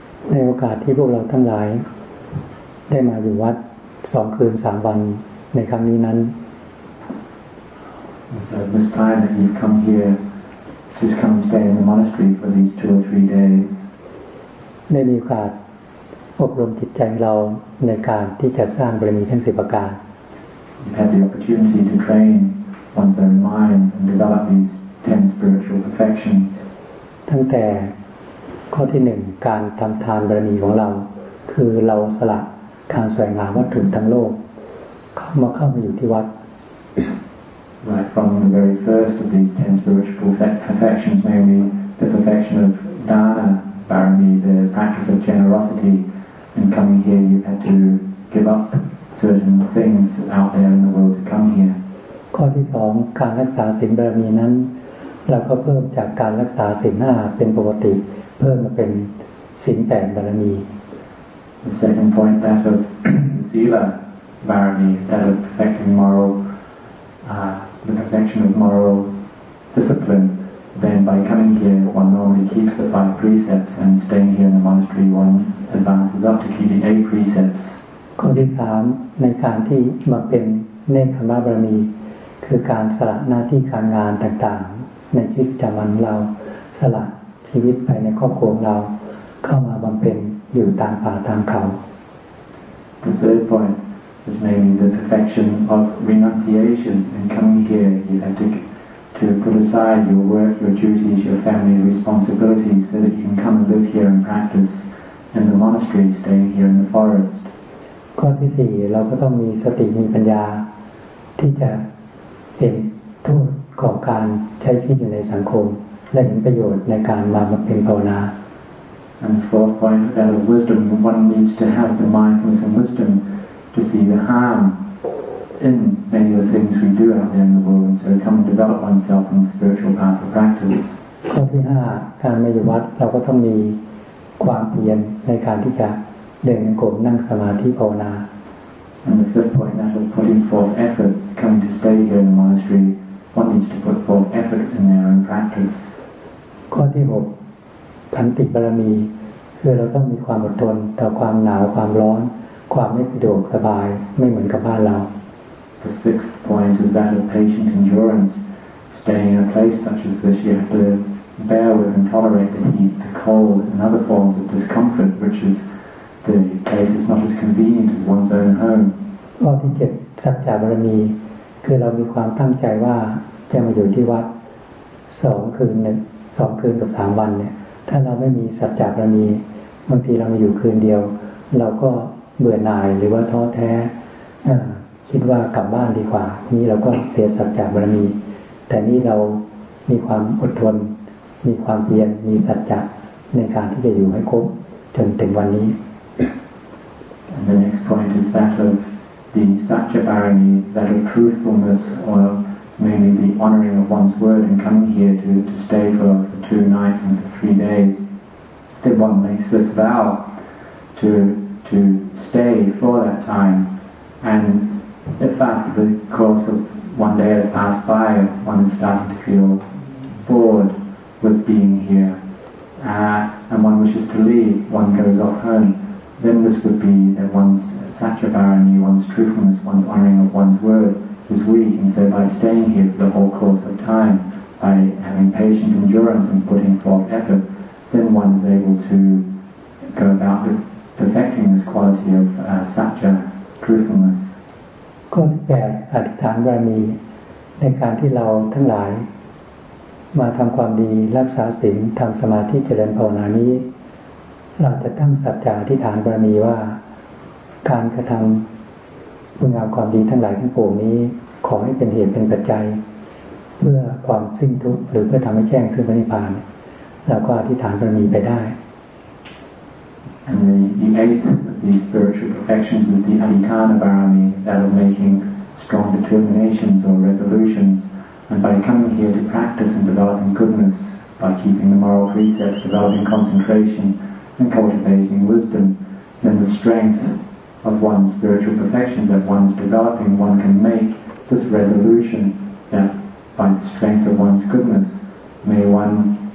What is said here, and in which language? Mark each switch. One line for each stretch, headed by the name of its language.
Thai: ในโอกาสที่พวกเราทั้งหลายได้มาอยู่วัด2คืน3วันในครั้งนี้นั้น
English: So this time that you've come here, just come and stay in the monastery for these 2 or 3 days.
Thai: ได้มีโอกาสอบรมจิตใจเราในการที่จะสร้างบารมีทั้ง10ประการ
English: You've had the opportunity to train one's own mind and develop these 10 spiritual perfections.
Thai: ตั้งแต่ข้อที่1การทำทานบารมีของเราคือเราสละการแสวงหาวัตถุทั้งโลกเข้ามาอยู่ที่วัด
English: Right from the very first of these 10 spiritual perfections namely the perfection of dana barami the practice of generosity and coming here you had to give up certain things out there in the world to come here
Thai: ข้อที่2การรักษาศีลบารมีนั้นเราก็เพิ่มจากการรักษาศีล5เป็นปกติเพิ่มมาเป็นศีล8บารมี
English: The second point that of sila barami that of perfecting moral the perfection of moral discipline then by coming here one normally keeps the 5 precepts and staying here in the monastery one advances up to keeping 8 precepts
Thai: ข้อที่3ในการที่มาเป็นเนกขัมมบารมีคือการสละหน้าที่การงานต่างๆในชีวิตประจำวันเราสละชีวิตภายในครอบครัวเราเข้ามาบำเพ็ญอยู่ตามป่าตามเขา
English: The third point is namely the perfection of renunciation and coming here you had to put aside your work, your duties, your family responsibilities so that you can come and live here and practice in the monastery staying here in the forest
Thai: ข้อที่4เราก็ต้องมีสติมีปัญญาที่จะเห็นโทษของการใช้ชีวิตอยู่ในสังคมและเห็นประโยชน์ในการมาบำเพ็ญภาวนา
English: And the fourth point that of wisdom one needs to have the mindfulness and wisdom to see the harm in many of the things we do out there in the world and so come and develop oneself on the spiritual path of practice
Thai: ข้อที่5การมาอยู่วัดเราก็ต้องมีความเพียรในการที่จะเดินจงกรมนั่งสมาธิภาวนา
English: And the fifth point that of putting forth effort coming to stay here in the monasteryOne needs to put forth effort in their own practice.
Thai: ข้อที่6ขันติบารมีคือเราต้องมีความอดทนต่อความหนาวความร้อนความไม่สะดวกสบายไม่เหมือนกับบ้านเรา
English: The sixth point is that of patient endurance. Staying in a place such as this, you have to bear with and tolerate the heat, the cold, and other forms of discomfort, which is the case is not as convenient as one's own home.
Thai: ข้อที่7สัจจะบารมีคือเรามีความตั้งใจว่าจะมาอยู่ที่วัด2 คืน 1 2 คืนกับ 3 วันเนี่ยถ้าเราไม่มีสัจจะบารมีบางทีเรามาอยู่คืนเดียวเราก็เบื่อหน่ายหรือว่าท้อแท้คิดว่ากลับบ้านดีกว่านี่เราก็เสียสัจจะบารมีแต่นี่เรามีความอดทนมีความเพียรมีสัจจะในการที่จะอยู่ให้ครบจนถึงวันนี้
English: And the next point is that ofthe Satya Barani, that of truthfulness, or mainly the honoring of one's word and coming here to stay for 2 nights and for 3 days. Then one makes this vow to stay for that time. And if after the course of one day has passed by, one is starting to feel bored with being here, and one wishes to leave, one goes off home. Then this would be that one's satya barani, one's truthfulness, one's honoring of one's word is weak, and so by staying here for the whole course of time, by having patient endurance and putting forth effort, then one is able to go about perfecting this quality of satya truthfulness.
Thai: ก็ที่แปลอธิษฐานบารมีในการที่เราทั้งหลายมาทำความดีรักษาศีลทำสมาธิเจริญภาวนานี้เราจะตั้งสัจจะอธิษฐานบารมีว่าการกระทำคุณงามความดีทั้งหลายทั้งปวงนี้ขอให้เป็นเหตุเป็นปัจจัยเพื่อความสิ้นทุกข์หรือเพื่อทำให้แจ้งซึ่งพระนิพพานเราก็อธิษฐานบารมีไปได้
English: And the eighth of these spiritual perfections is the Adhikāna Barami that of making strong determinations or resolutions and by coming here to practice and developing goodness by keeping the moral precepts developing concentrationAnd cultivating wisdom, then the strength of one's spiritual perfection that one's developing, one can make this resolution that by the strength of one's goodness, may one